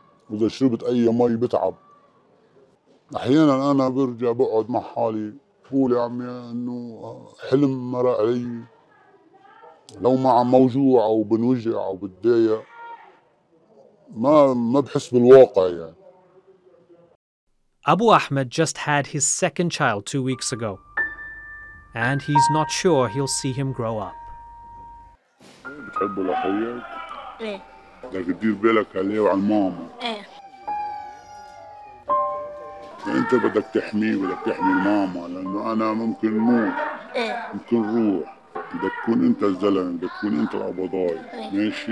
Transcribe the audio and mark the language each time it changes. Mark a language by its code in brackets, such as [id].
[ar] وإذا شربت أي مي بتعب. أحيانا أنا برجع بقعد مع حالي بقول يا عمي إنه حلم مر علي. لو ما عم موجوع أو بنوجع أو بتضايق ما بحس بالواقع يعني. [en] Abu Ahmed just had his second child 2 weeks ago, and he's not sure he'll see him grow up. [ar] بتحبه لحياتك؟ إيه. لك تدير بالك عليه وعلى ماما. إيه. أنت بدك تحميه بدك تحمي ماما لأنه أنا ممكن موت. إيه. ممكن روح. بدك تكون انت الزلمه بدك تكون انت الابو ضايع ماشي